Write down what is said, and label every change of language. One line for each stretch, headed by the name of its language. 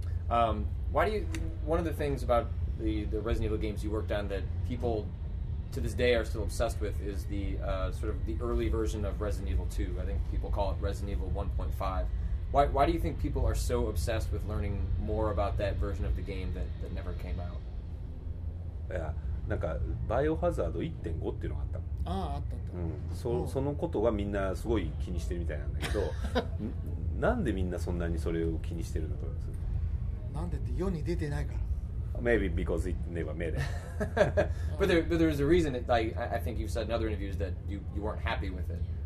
English: One of the things about the Resident Evil games you worked on that people to this day are still obsessed with is the sort of the early version of Resident Evil 2. I think people call it Resident Evil 1.5. Why do you think people are so obsessed with learning more about that version of the game that never came out? Yeah.
Japanese: なんかバイオハザード 1.5 っていうのがあったの。ああ、あったって、うん、そのことがみんなすごい気にしてるみたいなんだけどなんでみんなそんなにそれを気にしてるのと思います。なんでって世に出てないから。
English: Maybe because it never made it. but there is a reason that I think you've said in other interviews that you weren't happy with it.